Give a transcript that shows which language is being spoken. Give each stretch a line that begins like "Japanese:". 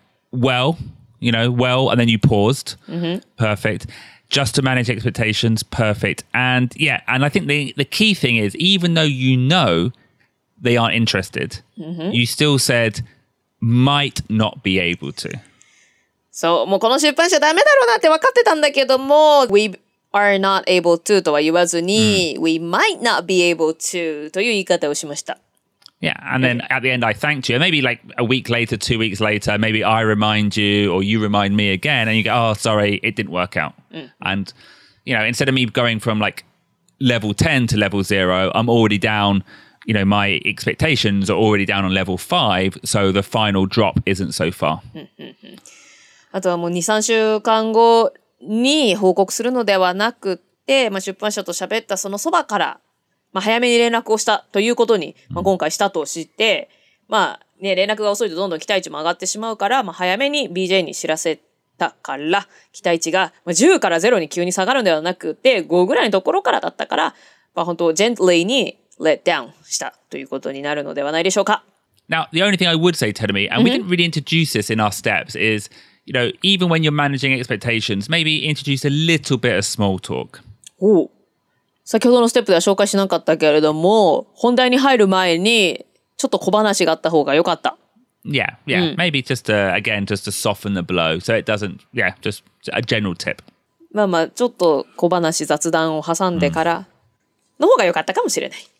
English: Well, you know, well, and then you paused. Mm-hmm. Perfect. Just to manage expectations. Perfect. And yeah, and I think the key thing is, even though you know they aren't interested, mm-hmm. you still said, might not be able to.
Japanese: So, もうこの出版社ダメだろうなって分かってたんだけども、we...
English: are not able to
Japanese: とは言わずに、mm.
English: we might not be able to
Japanese: という言い方をしました。
English: Yeah, and then at the end I thanked you. Maybe like a week later, 2 weeks later, maybe I remind you or you remind me again and you go, oh, sorry, it didn't work out.、 Mm. And, you know, instead of me going from like level 10 to level 0, I'm already down, you know, my expectations are already down on level 5, so the final drop isn't so far.
Japanese: あとはもう2、3週間後、に報告するのではなくて、まあ、出版社と喋ったそのそばから、まあ、早めに連絡をしたということに、まあ、今回したとして、まあね、連絡が遅いとどんどん期待値も上がってしまうから、まあ、早めに BJ に知らせたから期待値が、まあ、10から0に急に下がるのではなくて5ぐらいのところからだったから、まあ、本当ジェントリーにレッドダウンしたということになるのではないでしょうか。
English: Now the only thing I would say, Terumi, and we didn't really introduce this in our steps isYou know, even when you're managing expectations, maybe introduce a little bit of small talk.
Japanese: Oh, 先ほどのステップでは紹介しなかったけれども、本題に入る前にちょっと小話があった方が良かった。
English: Yeah, yeah.、うん、maybe just again, just to soften the blow, so it doesn't. Yeah, just a general tip.
Japanese: まあまあちょっと小話雑談を挟んでからの方が良かったかもしれない。